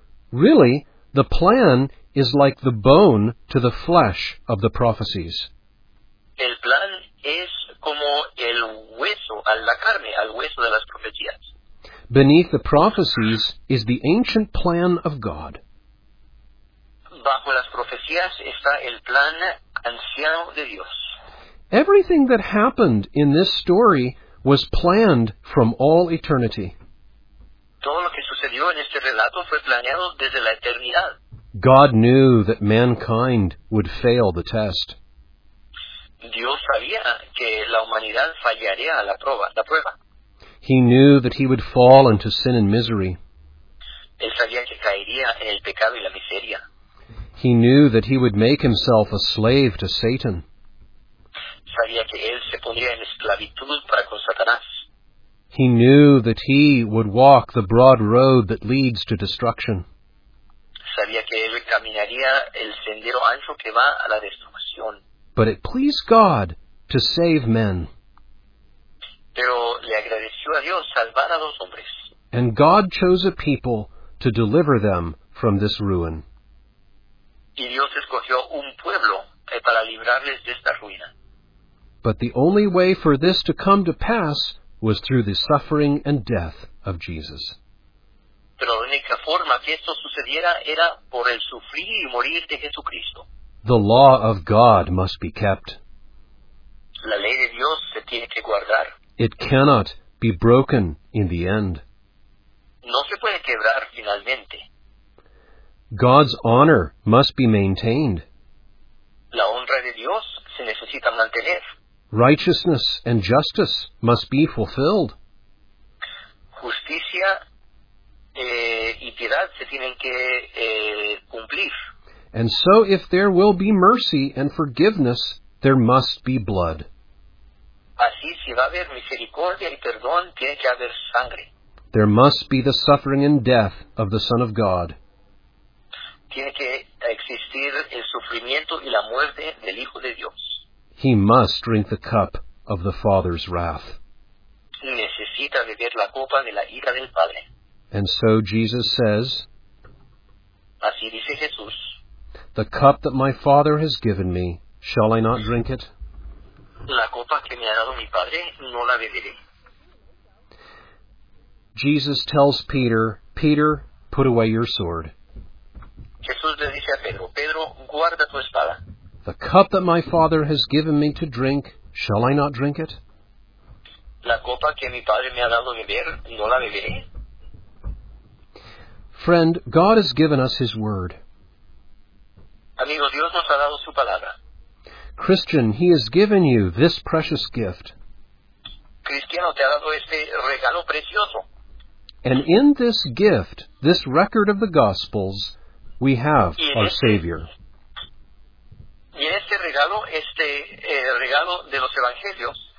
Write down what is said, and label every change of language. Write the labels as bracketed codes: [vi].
[en] Really, the plan is like the bone to the flesh of the prophecies. [es] El plan es como el hueso a la carne, al hueso de las profecías. [en] Beneath the prophecies is the ancient plan of God. [es] Bajo las profecías está el plan anciano de Dios. [en] Everything that happened in this story was planned from all eternity. [es] Todo lo que sucedió en este relato fue planeado desde la eternidad. [en] God knew that mankind would fail the test. [es] Dios sabía que la humanidad fallaría a la prueba. [en] He knew that he would fall into sin and misery. [es] Él sabía que caería en el pecado y la miseria. [en] He knew that he would make himself a slave to Satan. [es] Sabía que él se pondría en esclavitud para con Satanás. [en] He knew that he would walk the broad road that leads to destruction. [es] Sabía que él caminaría el sendero ancho que va a la destrucción. [en] But it pleased God to save men. [es] Pero le agradeció a Dios salvar a los hombres. [en] And God chose a people to deliver them from this ruin. [es] Y Dios escogió un pueblo para librarles de esta ruina. [en] But the only way for this to come to pass was through the suffering and death of Jesus. [es] Pero la única forma que esto sucediera era por el sufrir y morir de Jesucristo. [en] The law of God must be kept. [es] La ley de Dios se tiene que guardar. [en] It cannot be broken in the end. [es] No se puede quebrar finalmente. [en] God's honor must be maintained. [es] La honra de Dios se necesita mantener. [en] Righteousness and justice must be fulfilled. [es] Justicia y piedad se tienen que cumplir. [en] And so if there will be mercy and forgiveness, there must be blood. [es] Así, si va a haber misericordia y perdón, tiene que haber sangre. [en] There must be the suffering and death of the Son of God. [es] Tiene que existir el sufrimiento y la muerte del Hijo de Dios. [en] He must drink the cup of the Father's wrath. [es] Necesita beber la copa de la ira del Padre. [en] And so Jesus says, [es] así dice Jesús, [en] the cup that my Father has given me, shall I not drink it? [es] La copa que me ha dado mi Padre, no la beberé. [en] Jesus tells Peter, Peter, put away your sword. [es] Jesús le dice a Pedro, Pedro, guarda tu espada. [en] The cup that my Father has given me to drink, shall I not drink it? [es] La copa que mi Padre me ha dado beber, no la beberé. [en] Friend, God has given us His Word. [es] Amigo, Dios nos ha dado su palabra. [en] Christian, He has given you this precious gift. [es] Cristiano, te ha dado este regalo precioso. [en] And in this gift, this record of the Gospels, we have our Savior. [es] Y en este regalo, este regalo de los evangelios,